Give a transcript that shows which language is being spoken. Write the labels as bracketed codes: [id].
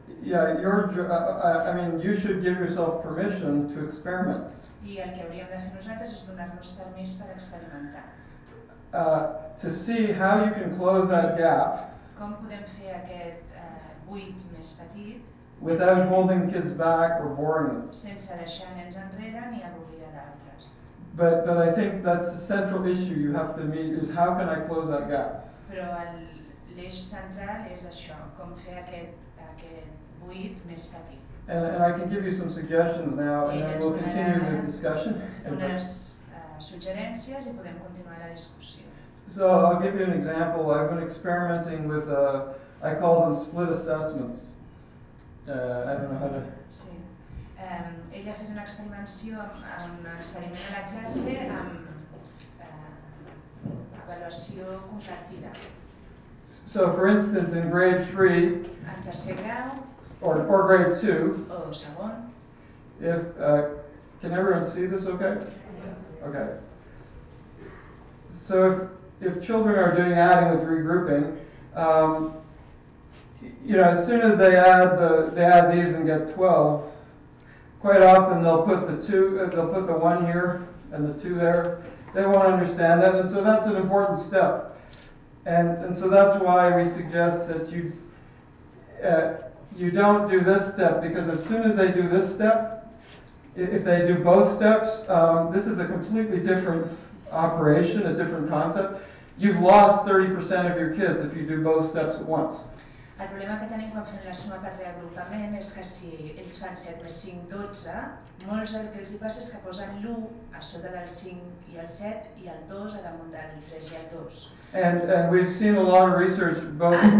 [en] Yeah, you should give yourself permission to experiment. [ca] I el que hauríem de fer nosaltres és donar-nos permís per experimentar. [en] To see how you can close that gap. [ca] Com podem fer aquest buit més petit? [en] Without holding kids back or boring them. [ca] Sense deixar nens enrere ni avorrir d'altres. [en] But I think that's the central issue you have to meet is how can I close that gap? [ca] Però l'eix central és això, com fer aquest buit més petit. [en] And I can give you some suggestions now and then we'll continue the discussion. [ca] Unes suggerències i podem continuar la discussió. [en] So I'll give you an example. I've been experimenting with, I call them split assessments. [ca] Ella ha fet una experimentació amb un experiment a la classe amb avaluació compartida. [en] So for instance in grade 3 [ca] en tercer grau [en] or grade 2 [ca] o segon. [en] If can everyone see this okay? Okay. So if children are doing adding with regrouping, you know, as soon as they add these and get 12, quite often they'll put the one here and the two there. They won't understand that, and so that's an important step. And so that's why we suggest that you don't do this step, because as soon as they do this step, if they do both steps, this is a completely different operation, a different concept. You've lost 30% of your kids if you do both steps at once. [ca] El problema que tenim quan fem la suma per reagrupament és que si ells fan 7 més 5, 12, molts el que els hi passa és que posen l'1 a sota del 5 i el 7 i el 2 a damunt del 3 i el 2. [en] And we've seen a lot of research both...